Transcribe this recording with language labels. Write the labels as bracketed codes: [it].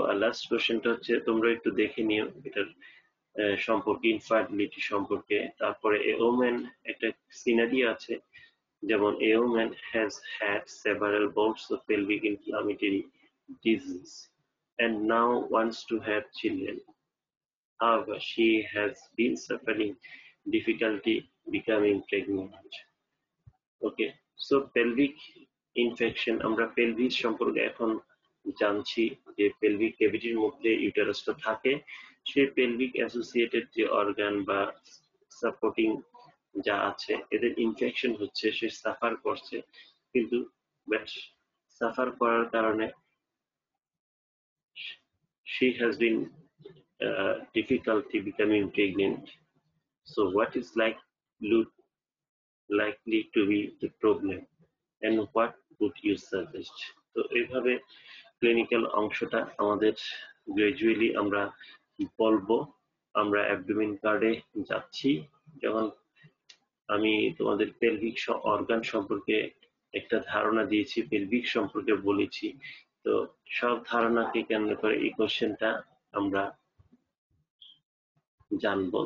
[bn] আর last কোয়েশ্চেনটা হচ্ছে তোমরা একটু দেখে নিও এটার সম্পর্কে, ইনফার্টিলিটি সম্পর্কে। তারপরে এ ওমেন একটা সিনারি আছে, যেমন [en] A woman has had several bouts of pelvic inflammatory disease and now wants to have children. However, she has been suffering difficulty becoming pregnant. [bn] Okay, so pelvic infection, আমরা পেলভিস সম্পর্কে এখন জানছি যে পেলভিক ক্যাভিটির মধ্যে ইউটারাস তো থাকে, সেই পেলভিক অ্যাসোসিয়েটেড যে অর্গান বা সাপোর্টিং যা আছে, এদের ইনফেকশন হচ্ছে, সে সাফার করছে, কিন্তু সাফার করার কারণে [en] she has been difficulty becoming pregnant. So what is likely to be the problem and what would you suggest? [bn] So এভাবে ক্লিনিক্যাল অংশটা আমাদের গ্রাজুয়ালি আমরা বলবো। আমরা অ্যাবডোমিন কার্ডে যাচ্ছি, যখন আমি তোমাদের পেলভিক অর্গান সম্পর্কে একটা ধারণা দিয়েছি, পেলভিক সম্পর্কে বলেছি, তো সব ধারণাকে কেন্দ্র করে এই কোশ্চেনটা আমরা জানবো।